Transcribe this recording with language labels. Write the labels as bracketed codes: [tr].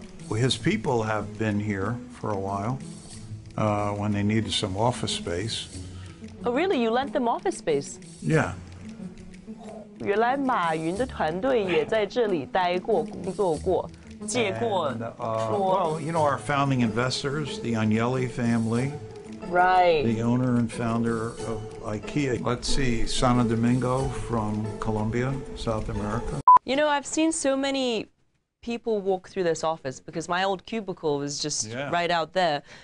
[en] His people have been here for a while when they needed some office space. Oh, really? You lent them office space? Yeah. [zh] 原来马云的团队也在这里待过、工作过、借过桌。 [en] Well, you know, our founding investors, the Agnelli family. Right. The owner and founder of IKEA. Let's see, Santo Domingo from Colombia, South America. You know, I've seen so many people walk through this office because my old cubicle was just right out there.